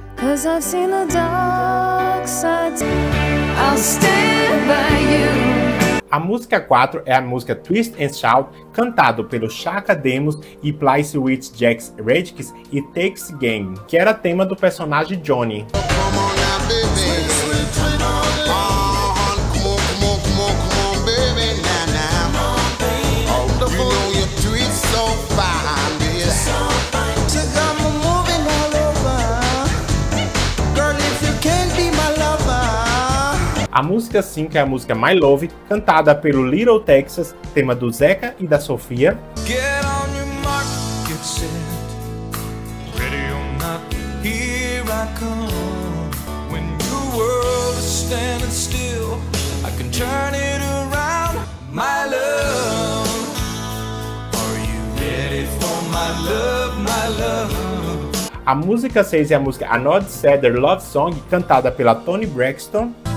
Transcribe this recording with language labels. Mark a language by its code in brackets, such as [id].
[en] Cause I've seen the dark side. I'll stand by you. [pt] A música 4 é a música Twist and Shout, cantado pelo Chaka Demus e Plice Witch Jax Redkiss e Takes Game, que era tema do personagem Johnny. A música 5 é a música My Love, cantada pelo Little Texas, tema do Zeca e da Sofia. [en] Get on your mark, get set. Ready or not, here I come. When your world is standing still, I can turn it around. My love, are you ready for my love, my love? [pt] A música 6 é a música Another Sadder Love Song, cantada pela Toni Braxton.